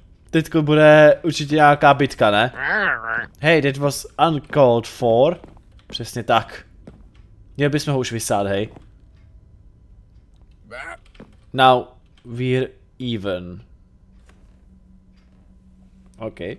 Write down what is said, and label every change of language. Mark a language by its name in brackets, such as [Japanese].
[Czech] Teďko bude určitě nějaká bitka, ne? [English] Hey, that was uncalled for. [Czech] Přesně tak. Měli bychom ho už vysát, hej. [English] Now we're even. OK.